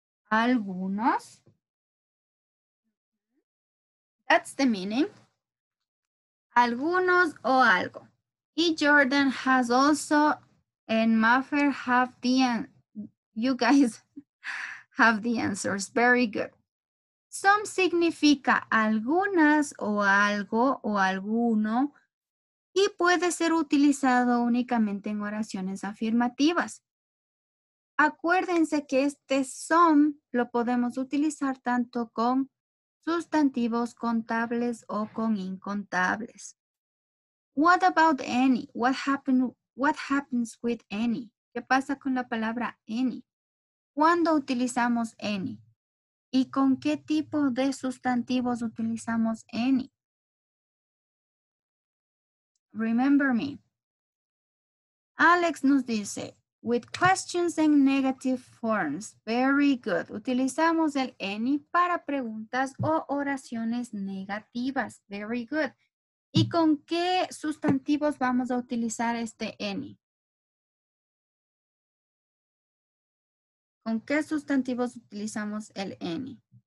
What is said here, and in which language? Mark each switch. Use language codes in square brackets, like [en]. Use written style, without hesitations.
[es] Algunos. [en] That's the meaning. [es] Algunos o algo. [en] Y Jordan has also, and Maffer have the, you guys have the answers. Very good. [es] Some significa algunas o algo o alguno y puede ser utilizado únicamente en oraciones afirmativas. Acuérdense que este some lo podemos utilizar tanto con sustantivos contables o con incontables. [en] What about any? What happens with any? [es] ¿Qué pasa con la palabra any? ¿Cuándo utilizamos any? ¿Y con qué tipo de sustantivos utilizamos any? [en] Remember me. [es] Alex nos dice, [en] with questions and negative forms. Very good. [es] Utilizamos el any para preguntas o oraciones negativas. [en] Very good. [es] ¿Y con qué sustantivos vamos a utilizar este any? ¿Con qué sustantivos utilizamos el any?